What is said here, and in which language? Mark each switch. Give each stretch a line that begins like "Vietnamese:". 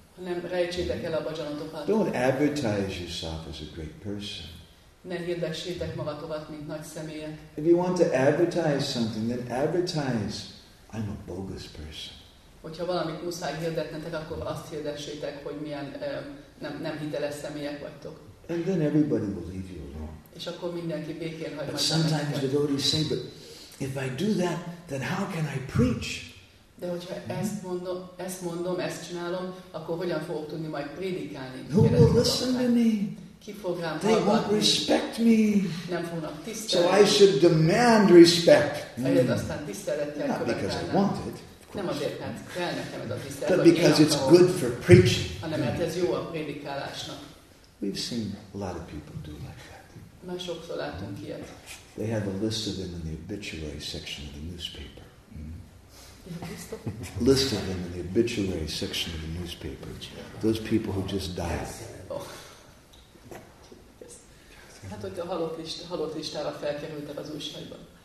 Hungarian: Nem rejtsétek el a bhajanotokat.
English: Don't advertise yourself as a great person.
Hungarian: Ne hirdessétek magatokat, mint nagy személyek.
English: If you want to advertise something, then advertise, I'm a bogus person.
Hungarian: Hogyha valamit muszáj hirdetnetek, akkor azt hirdessétek, hogy milyen nem hiteles személyek vagytok.
English: And then everybody will leave you alone.
Hungarian: És akkor mindenki békén hagy majd neked.
English: But sometimes the devotees say, but if I do that, then how can I preach?
Hungarian: De hogyha ezt mondom, ezt csinálom, akkor hogyan fogok tudni majd prédikálni?
English: Who will listen to me? They won't respect me.
Hungarian: Nem fognak tisztelni.
English: So I should demand respect. Not because I want it.
Hungarian: Nem azért, mert kell nekem ez a tisztelet.
English: But because it's good for preaching.
Hungarian: Hanem mert ez jó a prédikálásnak.
English: We've seen a lot of people do like that.
Hungarian: Már sokszor láttunk ilyet.
English: They have a list of them in the obituary section of the newspaper. List of them in the obituary section of the newspaper. Those people who just died.
Hungarian: Hát, hogy a halott listára felkerültek az újságban.